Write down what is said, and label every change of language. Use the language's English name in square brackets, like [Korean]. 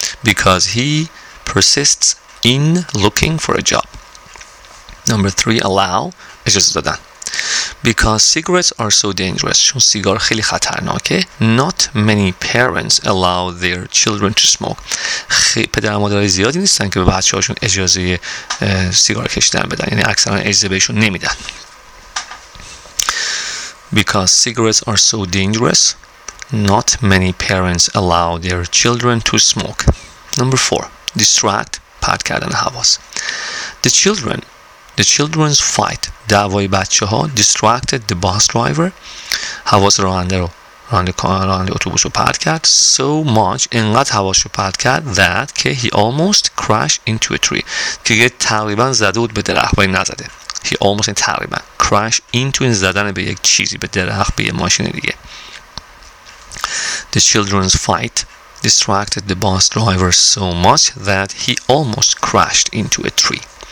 [English] Because he persists in looking for a job. Number three, allow. [Persian] اجازه دادن. [English] Because cigarettes are so dangerous. [Persian] چون سیگار خیلی خطرناکه. [English] Not many parents allow their children to smoke. [Persian] پدر و مادر زیادی نیستن که به بچه هاشون اجازه سیگار کشیدن بدن. یعنی اکثرا اجازه بهشون نمیدن. [English] Because cigarettes are so dangerous. Not many parents allow their children to smoke. Number four, distract. [Persian] پرد کردن حواس. [English] The children's fight, [Persian] دعوای بچه ها, [English] distracted the bus driver, [Persian] حواس راننده اتوبوس رو پرت کرد, [English] so much, [Persian] انقدر حواس رو پرت کرد, [English] that, [Persian] که [English] he almost crashed into a tree, [Persian] که یه تقریبا زده بود به درخت, ولی نزده, [English] he almost, [Persian] تقریبا, [English] crash into, [Persian] این زدن به یک چیزی, به درخت, به یه ماشین دیگه. [English] The children's fight distracted the bus driver so much that he almost crashed into a tree.